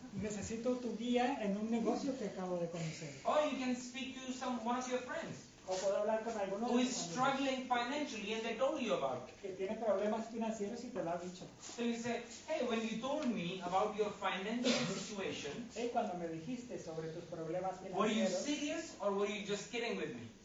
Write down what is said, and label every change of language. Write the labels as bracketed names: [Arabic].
[Spanish] Necesito tu guía en un negocio que acabo de conocer. [English] Or you can speak to one of your friends. [Spanish] O puedo hablar con alguno [English] who is struggling financially and they told you about it. [Spanish] Que tiene problemas financieros y te lo ha dicho. [English] So you say, hey, when you told me about your financial situation, [Spanish] hey, cuando me dijiste sobre tus problemas financieros, [English] were you serious or were you just kidding with me?